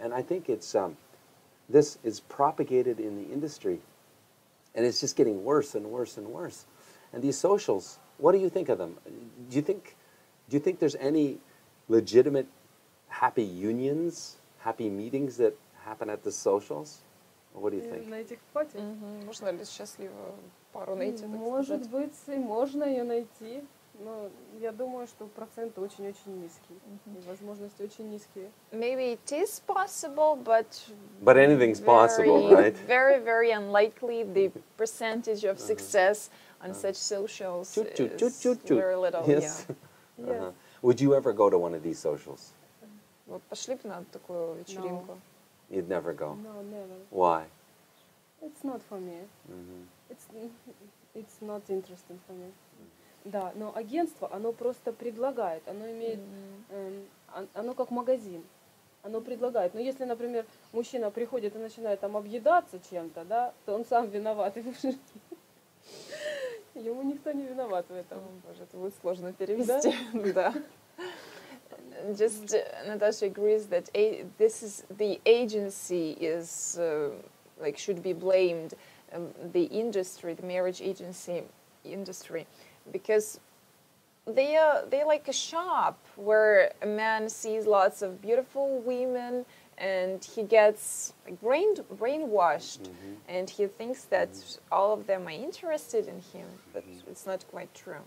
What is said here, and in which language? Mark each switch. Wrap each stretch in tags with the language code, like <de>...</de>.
<en>And I think it's this is propagated in the industry, and it's just getting worse and worse and worse. And these socials, what do you think of them? Do you think there's any legitimate happy unions, happy meetings that happen at the socials? What do you think?</en> <ru>На этих пати? Можно ли счастливо пару найти? Может быть, и можно ее найти. Но я думаю, что процент очень-очень низкий. И возможности очень низкие.</ru> <en>Maybe it is possible, but... But anything's possible, right? Very, very unlikely the percentage of success on such socials is very little. Yes. Yeah. Would you ever go to one of these socials?</en> <ru>Пошли бы на такую вечеринку.</ru> <en>You'd never go. No, never. Why? It's not for me. It's not interesting for me.</en> <ru>Да, но агентство, оно просто предлагает, оно имеет, оно как магазин, оно предлагает. Но если, например, мужчина приходит и начинает там объедаться чем-то, да, то он сам виноват. Ему никто не виноват в этом. Боже, это будет сложно перевести. Да.</ru> <en>Just Natasha agrees that this is the agency is like should be blamed, the industry, the marriage agency industry, because they're like a shop where a man sees lots of beautiful women and he gets brainwashed and he thinks that all of them are interested in him, but it's not quite true.</en>